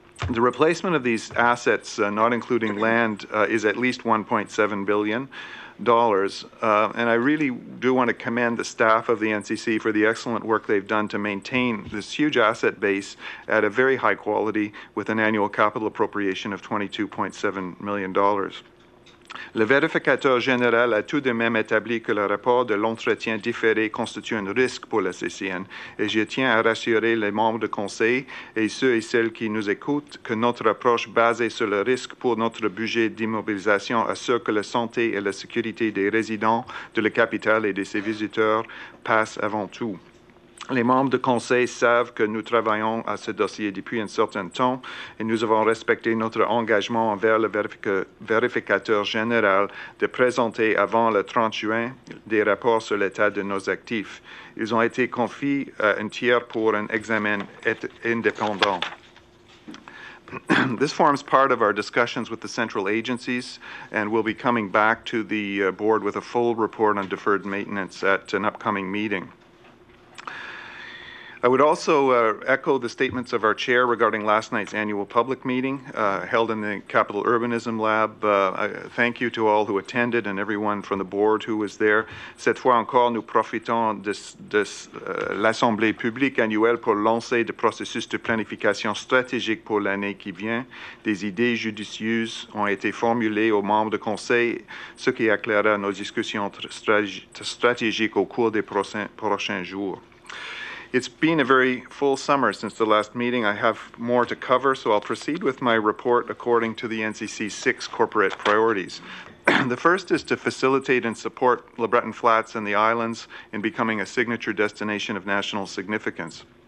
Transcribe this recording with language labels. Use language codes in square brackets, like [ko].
[en] The replacement of these assets, not including land, is at least $1.7 billion. And I really do want to commend the staff of the NCC for the excellent work they've done to maintain this huge asset base at a very high quality with an annual capital appropriation of $22.7 million. [fr] Le vérificateur général a tout de même établi que le rapport de l'entretien différé constitue un risque pour la CCN et je tiens à rassurer les membres du Conseil et ceux et celles qui nous écoutent que notre approche basée sur le risque pour notre budget d'immobilisation assure que la santé et la sécurité des résidents de la capitale et de ses visiteurs passent avant tout. Les membres du Conseil savent que nous travaillons à ce dossier depuis un certain temps et nous avons respecté notre engagement envers le vérificateur général de présenter avant le 30 juin des rapports sur l'état de nos actifs. Ils ont été confiés à un tiers pour un examen indépendant. [en] This forms part of our discussions with the central agencies, and we'll be coming back to the board with a full report on deferred maintenance at an upcoming meeting. I would also echo the statements of our chair regarding last night's annual public meeting held in the Capital Urbanism Lab. Thank you to all who attended and everyone from the board who was there. [fr] Cette fois encore, nous profitons de l'Assemblée publique annuelle pour lancer le processus de planification stratégique pour l'année qui vient. Des idées judicieuses ont été formulées aux membres du Conseil, ce qui éclairera nos discussions stratégiques au cours des prochains jours. [en] It's been a very full summer since the last meeting. I have more to cover, so I'll proceed with my report according to the NCC's six corporate priorities. The first is to facilitate and support Le Breton Flats and the islands in becoming a signature destination of national significance.